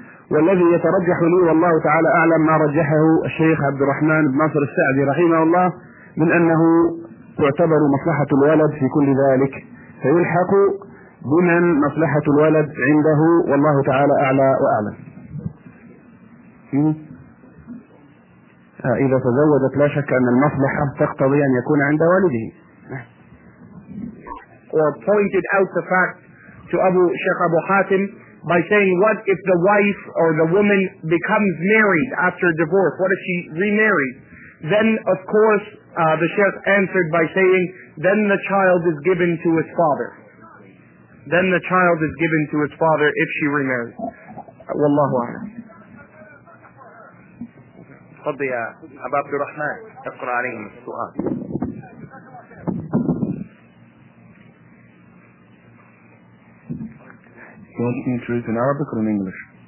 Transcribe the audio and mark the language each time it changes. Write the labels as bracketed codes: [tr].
[ar] والذي يترجح لي والله تعالى أعلم ما رجحه الشيخ عبد الرحمن بن ناصر السعدي رحمه الله من أنه تعتبر مصلحة الولد في كل ذلك، فيلحق بمن مصلحة الولد عنده، والله تعالى أعلى وأعلم. إذا تزوجت لا شك أن المصلحة تقتضي أن يكون عند والده. [en] Or pointed out the fact to Abu Sheikh Abu Hatim by saying, what if the wife or the woman becomes married after a divorce? What if she remarries? Then, of course, the Sheikh answered by saying, then the child is given to his father. Then the child is given to his father if she remarries. [ar] Wallahu a'lam. تفضل يا أبا عبد الرحمن اقرأ عليهم السؤال. [en] Do you want me to read in Arabic or in English?